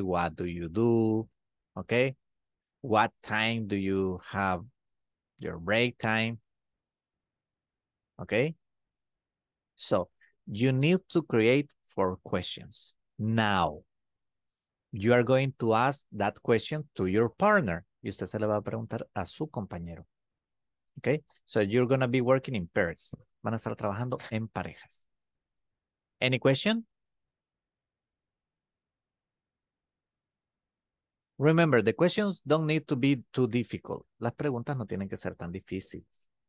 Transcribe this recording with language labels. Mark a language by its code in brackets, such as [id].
[en] What do you do? Okay? What time do you have your break time? Okay? So, you need to create 4 questions. Now, you are going to ask that question to your partner. [es] Y usted se le va a preguntar a su compañero. [en] Okay? So, you're going to be working in pairs. [es] Van a estar trabajando en parejas. [en] Any question? Remember, the questions don't need to be too difficult. [es] Las preguntas no tienen que ser tan difíciles.